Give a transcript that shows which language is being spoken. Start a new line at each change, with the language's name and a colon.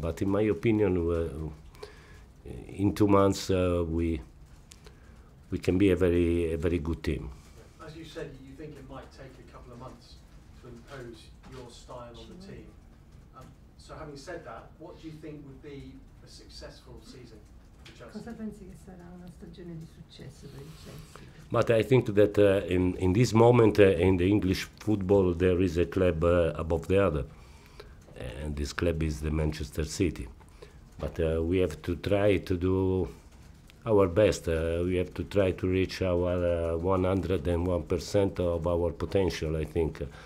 English: But in my opinion, in 2 months we can be a very good team. As you said, you think it might take a couple of months to impose your style on the team. So having said that, what do you think would be a successful season?
Italian: Cosa pensi che sarà una stagione di successo per il Chelsea?
English: But I think that in this moment in the English football there is a club above the other, and this club is the Manchester City. But we have to try to do our best. We have to try to reach our 101% of our potential, I think.